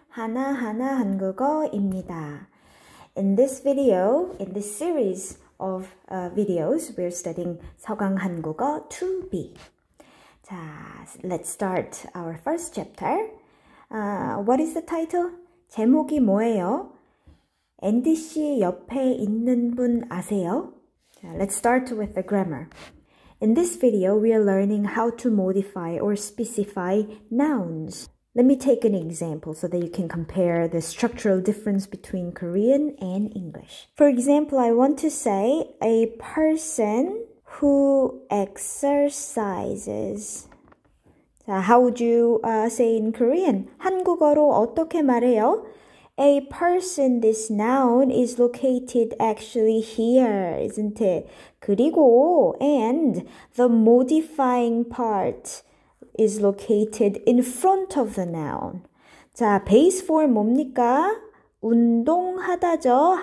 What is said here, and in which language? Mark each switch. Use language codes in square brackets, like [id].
[ko] 하나하나 한국어입니다. [en] In this video, in this series of videos, we're studying 서강 한국어 2B. 자, let's start our first chapter. What is the title? [ko] 제목이 뭐예요? Andy 씨 옆에 있는 분 아세요? [en] Let's start with the grammar. In this video, we are learning how to modify or specify nouns. Let me take an example so that you can compare the structural difference between Korean and English. For example, I want to say a person who exercises. So how would you say in Korean? [ko] 한국어로 어떻게 말해요? [en] A person, this noun, is located actually here, isn't it? 그리고, and the modifying part is located in front of the noun. [ko] 자, base form 뭡니까? 운동하다죠.